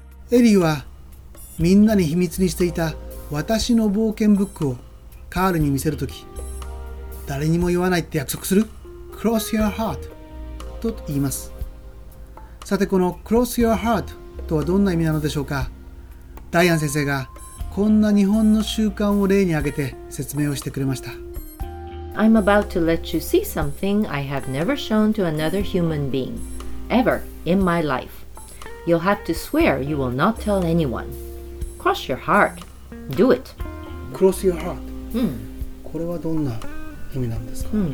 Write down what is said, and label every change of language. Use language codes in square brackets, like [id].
[ja] エリーはみんなに秘密にしていた私の冒険ブックをカールに見せるとき、誰にも言わないって約束する [en] Cross your heart [ja] と言います。さてこの [en] Cross your heart [ja] とはどんな意味なのでしょうか。ダイアン先生がこんな日本の習慣を例に挙げて説明をしてくれました。 [en] I'm about to let you see something I have never shown to another human being ever in my life. You'll have to swear you will not tell anyone. Cross your heart. Do it. Cross your heart.、 [ja] これはどんな意味なんですか、